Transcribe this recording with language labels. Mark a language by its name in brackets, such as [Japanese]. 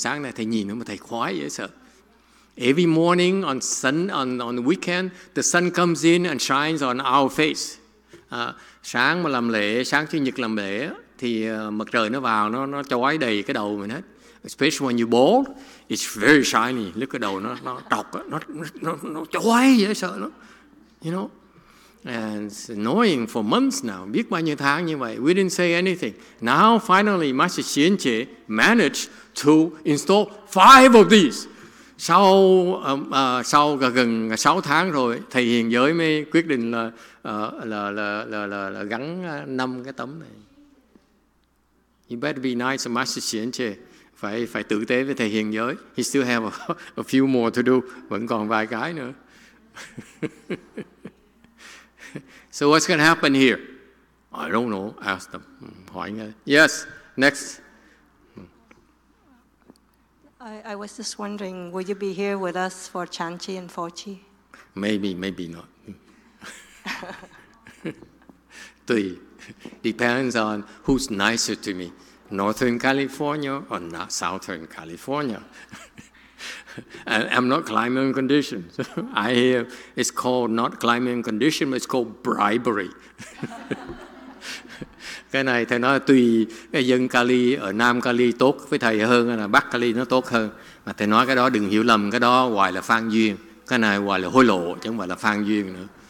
[Vietnamese] Sáng nay thầy nhìn mà thầy khoái vậy sợ. [English] Every morning on sun, on the weekend, the sun comes in and shines on our face. [Vietnamese] Sáng mà làm lễ, sáng chủ nhật làm lễ, thì mặt trời nó vào, nó chói đầy cái đầu mình hết. [English] Especially when you're bald, it's very shiny. Look at [Vietnamese] đầu nó trọc, nó chói dễ sợ lắm. [English] You know? And it's annoying for months now. [Vietnamese] Biết bao nhiêu tháng như vậy. [English] We didn't say anything. Now, finally, Master Xian Che managed to install 5 of these. [Vietnamese] Sau sau gần 6 tháng rồi, thầy Hiền Giới mới quyết định là gắn 5 cái tấm này. [English] You better be nice to Master Xian Che. [Vietnamese] Phải tử tế với thầy Hiền Giới. [English] He still have a few more to do. [Vietnamese] Vẫn còn vài cái nữa. [English] So what's going to happen here? I don't know. Ask them. [Vietnamese] Hỏi nghe. [English] Yes, next. I was just wondering, will you be here with us for Chan Chi and Fo Chi? Maybe, maybe not. Tùy. Depends on who's nicer to me. Northern California or not Southern California? I'm not climbing conditions. I hear it's called not climbing condition, but it's called bribery. [Vietnamese] Cái này thầy nói tùy cái dân Cali ở Nam Cali tốt với thầy hơn hay là Bắc Cali nó tốt hơn. Mà thầy nói cái đó đừng hiểu lầm, cái đó hoài là phan duyên. Cái này hoài là hối lộ chứ không phải là phan duyên nữa.